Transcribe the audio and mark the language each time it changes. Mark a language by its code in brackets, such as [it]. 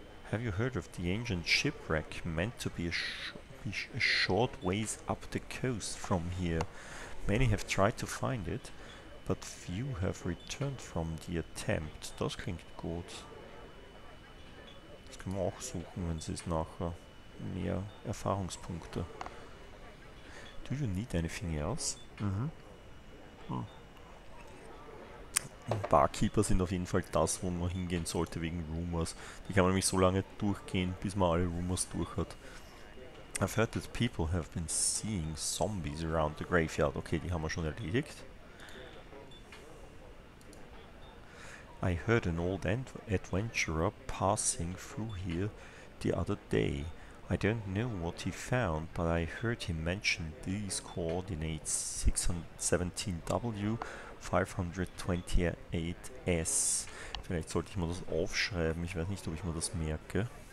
[en] Have you heard of the ancient shipwreck meant to be a short ways up the coast from here? Many have tried to find it, but few have returned from the attempt. [de] Das klingt gut. Das können wir auch suchen, wenn es ist nachher mehr Erfahrungspunkte. [en] Do you need anything else? Mhm. Hm. [de] Barkeeper sind auf jeden Fall das, wo man hingehen sollte wegen Rumors. Die kann man nämlich so lange durchgehen, bis man alle Rumors durch hat. [en] I've heard that people have been seeing zombies around the graveyard. [de] Okay, die haben wir schon erledigt. [en] I heard an old adventurer passing through here the other day. I don't know what he found, but I heard him mention these coordinates 617W528S. [de] Vielleicht sollte ich mal das aufschreiben, ich weiß nicht, ob ich mal das merke.